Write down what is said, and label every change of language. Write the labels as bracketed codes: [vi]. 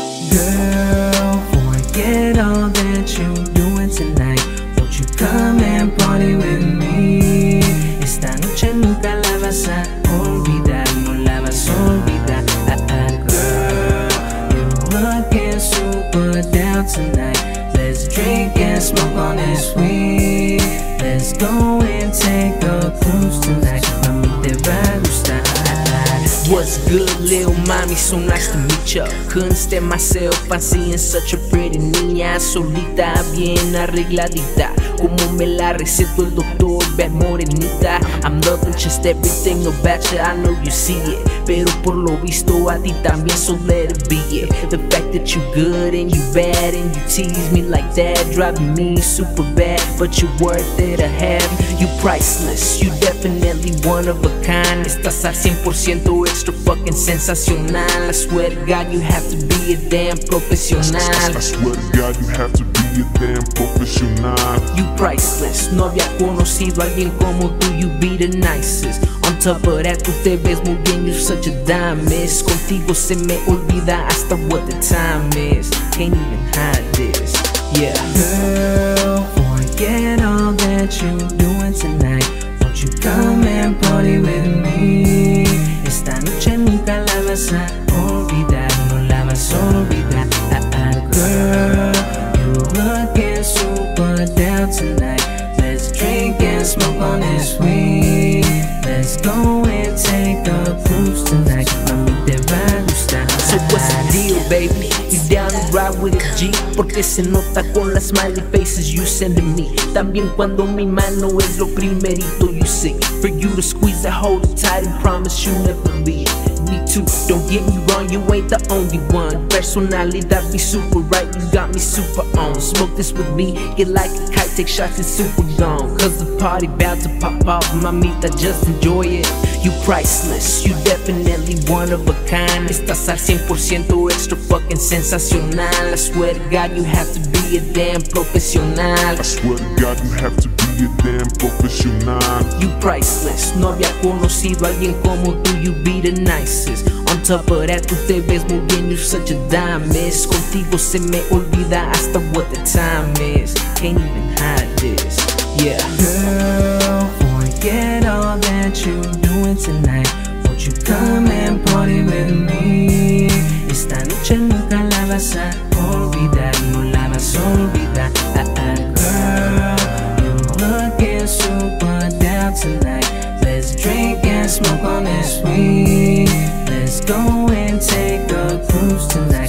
[en] girl, forget all that you're doing tonight, won't you come and party with me? [es] Esta noche nunca la vas a olvidar, no la vas a olvidar. [en] Girl, you're looking super down tonight. Let's drink and smoke on this weed. Let's go and take a cruise tonight. [es] Mami, te va a gustar. [en] What's good, little mommy? So nice to meet ya. Couldn't stand myself, I'm seeing such a pretty niña. [es] Solita, bien arregladita. Como me la receto el doctor, [en] bad [es] morenita. [en] I'm loving just everything about you, I know you see it. [es] Pero por lo visto a ti también, [en] so let it be, yeah. The fact that you good and you bad and you tease me like that, driving me super bad, but you worth it to have. You priceless, you definitely one of a kind. [es] Estás al 100% extra fucking sensacional. [en] I swear to God you have to be a damn profesional. I swear to God you have to be a damn profesional. You priceless, [es] no había conocido a alguien como tú. [en] You be the nicest. On top of that, [es] tú te ves muy bien, [en] you're such a dime, miss. [es] Contigo se me olvida hasta [en] what the time is. Can't even hide this, yeah. Girl, forget all that you're doing tonight. Won't you come and party with me? [es] Esta noche nunca la vas a olvidar, no la vas a olvidar. [en] Girl, you're looking super down tonight. Let's drink and smoke on this weed. Let's go and take a cruise tonight. [es] Mami, te va a gustar. [en] So what's the deal, baby? Down to ride with G, [es] porque se nota con las [en] smiley faces you send to me. [es] También cuando mi mano es lo primerito [en] you see. For you to squeeze that hold it tight and promise you never leave. Me too, don't get me wrong, you ain't the only one. Personalidad be super right, you got me super on. Smoke this with me, get like a kite, take shots, it's super gone. Cause the party bout to pop off, mamita, just enjoy it. You priceless, you definitely one of a kind. [es] Estás al 100% extra fucking sensacional. [en] I swear to God you have to be a damn profesional. I swear to God you have to be a damn profesional. You priceless, [es] no había conocido a alguien como tú. [en] You be the nicest. On top of that, [es] tú te ves muy bien, [en] you're such a dime. [es] Contigo se me olvida hasta [en] what the time is. Can't even hide this, yeah. Girl, forget all that you doing tonight. Won't you come and party with me? [es] Esta noche nunca la vas a olvidar, no la vas a olvidar. [en] Girl, you're looking super down tonight. Let's drink and smoke on this weed. Let's go and take a cruise tonight.